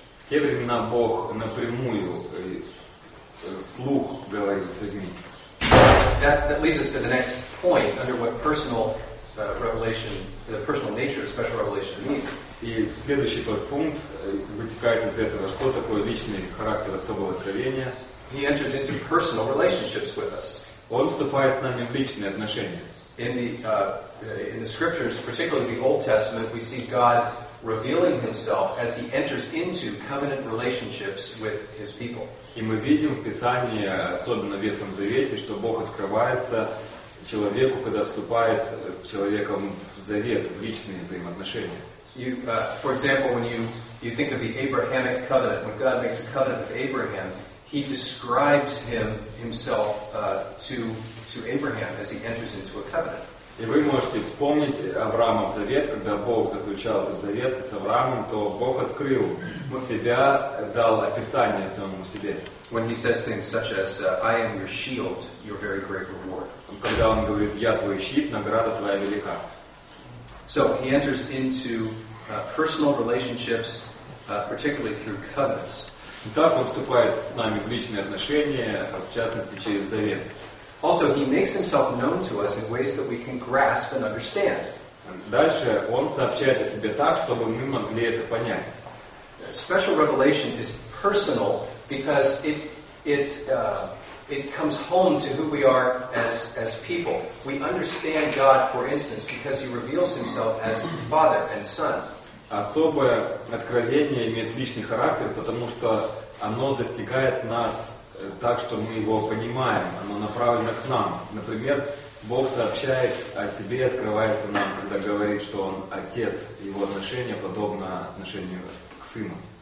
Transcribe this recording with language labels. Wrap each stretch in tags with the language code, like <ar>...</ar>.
<ru>В те времена Бог напрямую вслух говорил с людьми.</ru> <en>That leads us to the next point under what personal revelation. The personal nature of special revelation means.</en> <ru>И следующий подпункт вытекает из этого. Что такое личный характер особого откровения?</ru> <en>He enters into personal relationships with us.</en> <ru>Он вступает с нами в личные отношения.</ru> <en>In the Scriptures, particularly the Old Testament, we see God revealing Himself as He enters into covenant relationships with His people.</en> <ru>И мы видим в Писании, особенно в Ветхом Завете, что Бог открывается человеку, когда вступает с человеком в завет, в личные взаимоотношения.</ru> <en>For example, when you think of the Abrahamic covenant, when God makes a covenant with Abraham, He describes Himself to Abraham as He enters into a covenant.</en> <ru>И вы можете вспомнить Авраамов завет, когда Бог заключал этот завет с Авраамом, то Бог открыл Себя, дал описание самому Себе.</ru> <en>When He says things such as, "I am your shield, your very great reward."</en> <ru>Когда Он говорит, я твой щит, награда твоя велика.</ru> <en>So He enters into personal relationships, particularly through covenants.</en> <ru>Итак, Он вступает с нами в личные отношения, в частности через завет.</ru> <en>Also, He makes Himself known to us in ways that we can grasp and understand.</en> <ru>Дальше Он сообщает о Себе так, чтобы мы могли это понять.</ru> <en>Special revelation is personal because it comes home to who we are as people. We understand God, for instance, because He reveals Himself as Father and Son.</en> <ru>Особое откровение имеет личный характер, потому что оно достигает нас так, что мы его понимаем. Оно направлено к нам. Например, Бог сообщает о Себе и открывается нам, когда говорит, что Он Отец. Его отношение подобно отношению к Сыну.</ru>